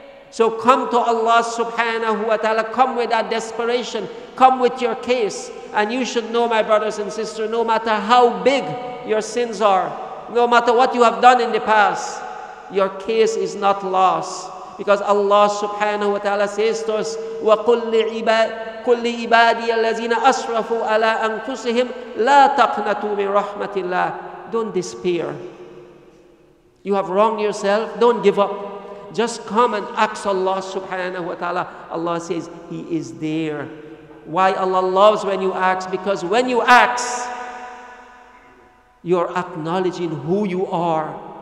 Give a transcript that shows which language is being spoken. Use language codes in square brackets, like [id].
[en] So come to Allah subhanahu wa ta'ala. Come with that desperation. Come with your case. And you should know, my brothers and sisters, no matter how big your sins are, no matter what you have done in the past, your case is not lost. Because Allah subhanahu wa ta'ala says to us, [ar] وَقُلِّ عِبَادِيَ الَّذِينَ أَسْرَفُوا عَلَىٰ أَنْفُسِهِمْ لَا تَقْنَتُوا مِنْ رَحْمَةِ اللَّهِ. [en] Don't despair. You have wronged yourself, don't give up. Just come and ask Allah subhanahu wa ta'ala. Allah says, He is there. Why Allah loves when you ask? Because when you ask, you're acknowledging who you are.